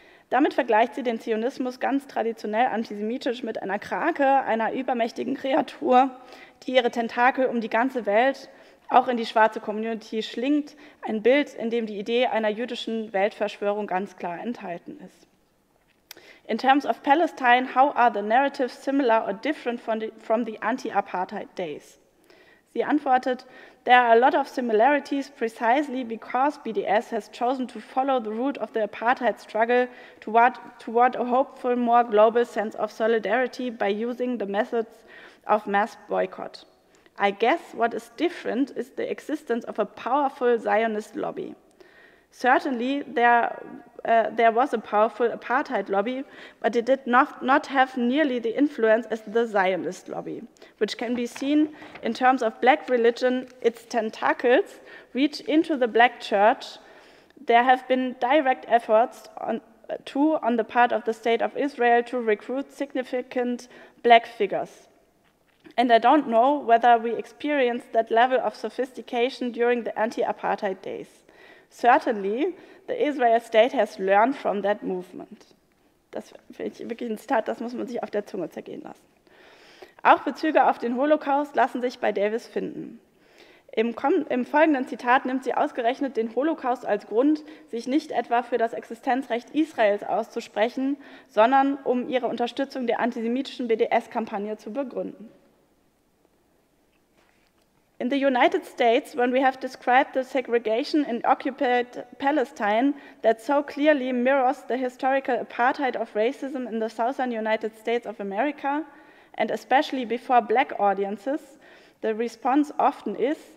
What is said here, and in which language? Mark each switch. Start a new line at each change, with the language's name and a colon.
German: Damit vergleicht sie den Zionismus ganz traditionell antisemitisch mit einer Krake, einer übermächtigen Kreatur, die ihre Tentakel um die ganze Welt, auch in die schwarze Community, schlingt. Ein Bild, in dem die Idee einer jüdischen Weltverschwörung ganz klar enthalten ist.
English: In terms of Palestine, how are the narratives similar or different from the anti-apartheid days?
German: Sie antwortet,
English: there are a lot of similarities precisely because BDS has chosen to follow the route of the apartheid struggle toward a hopeful, more global sense of solidarity by using the methods of mass boycott. I guess what is different is the existence of a powerful Zionist lobby. Certainly, there was a powerful apartheid lobby, but it did not have nearly the influence as the Zionist lobby, which can be seen in terms of black religion, its tentacles reach into the black church. There have been direct efforts on the part of the State of Israel to recruit significant black figures. And I don't know whether we experienced that level of sophistication during the anti-apartheid days. Certainly, the Israel state has learned from that movement.
German: Das finde ich wirklich ein Zitat, das muss man sich auf der Zunge zergehen lassen. Auch Bezüge auf den Holocaust lassen sich bei Davis finden. Im folgenden Zitat nimmt sie ausgerechnet den Holocaust als Grund, sich nicht etwa für das Existenzrecht Israels auszusprechen, sondern um ihre Unterstützung der antisemitischen BDS-Kampagne zu begründen.
English: In the United States, when we have described the segregation in occupied Palestine that so clearly mirrors the historical apartheid of racism in the southern United States of America, and especially before black audiences, the response often is,